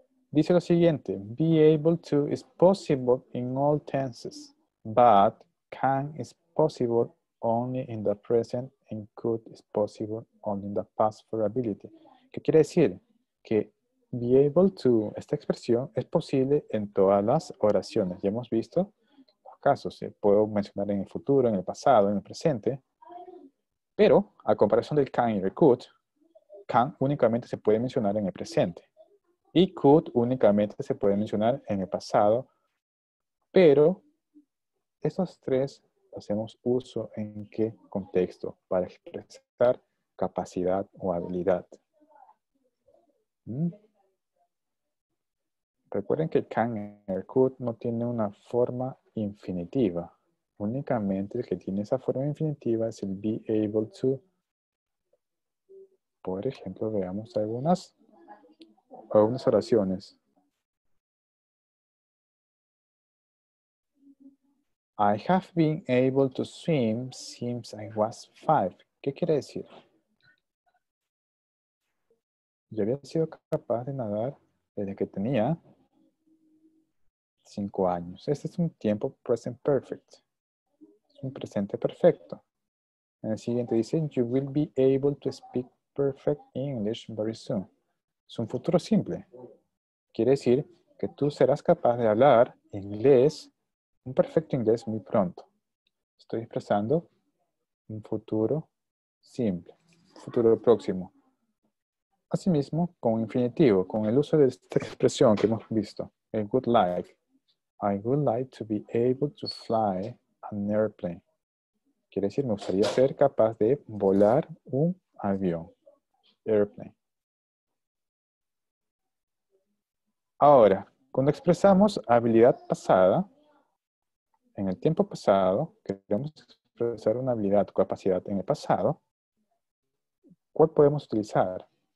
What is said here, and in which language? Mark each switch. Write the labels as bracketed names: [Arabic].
[Spanish] Dice lo siguiente, [English] be able to is possible in all tenses, but can is possible only in the present and could is possible only in the past for ability. [Spanish] ¿Qué quiere decir? Que be able to, esta expresión, es posible en todas las oraciones. Ya hemos visto los casos. Puedo mencionar en el futuro, en el pasado, en el presente. Pero, a comparación del can y el could, can únicamente se puede mencionar en el presente. Y could únicamente se puede mencionar en el pasado, pero esos tres hacemos uso en qué contexto para expresar capacidad o habilidad. Recuerden que can en el could no tiene una forma infinitiva. Únicamente el que tiene esa forma infinitiva es el be able to. Por ejemplo, veamos algunas oraciones. [English] I have been able to swim since I was 5. [Spanish] ¿Qué quiere decir? Yo había sido capaz de nadar desde que tenía 5 años. Este es un tiempo present perfect. Es un presente perfecto. En el siguiente dice, [English] you will be able to speak perfect English very soon. [Spanish] Es un futuro simple. Quiere decir que tú serás capaz de hablar inglés, un perfecto inglés muy pronto. Estoy expresando un futuro simple, futuro próximo. Asimismo, con infinitivo, con el uso de esta expresión que hemos visto, el would like. [English] I would like to be able to fly an airplane. [Spanish] Quiere decir, me gustaría ser capaz de volar un avión. Airplane. Ahora, cuando expresamos habilidad pasada, en el tiempo pasado, queremos expresar una habilidad o capacidad en el pasado, ¿cuál podemos utilizar?